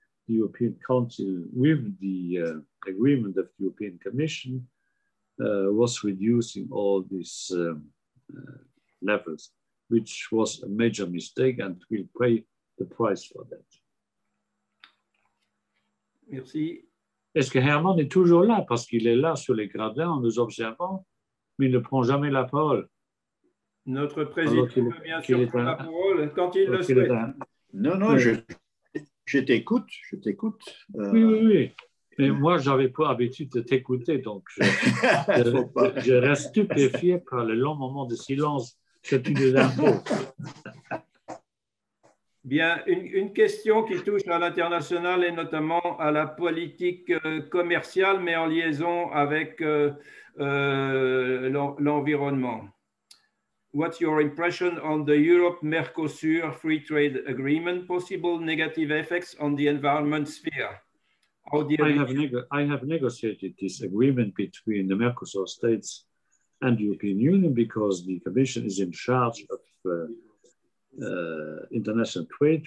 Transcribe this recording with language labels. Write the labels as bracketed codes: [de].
[en] The European Council, with the agreement of the European Commission, was reducing all these levels, which was a major mistake and will pay the price for that. [fr] Merci. Est-ce que Herman est toujours là? Parce qu'il est là sur les gradins en nous observant, mais il ne prend jamais la parole. Notre président peut bien sûr prendre la parole quand il le souhaite. Je t'écoute. Oui. Mais moi, je n'avais pas l'habitude de t'écouter, donc je reste stupéfié par le long moment de silence que tu nous imposes. Bien, une question qui touche à l'international et notamment à la politique commerciale, mais en liaison avec l'environnement. [en] What's your impression on the Europe-Mercosur free trade agreement? Possible negative effects on the environment sphere? I have negotiated this agreement between the Mercosur states and the European Union because the Commission is in charge of international trade.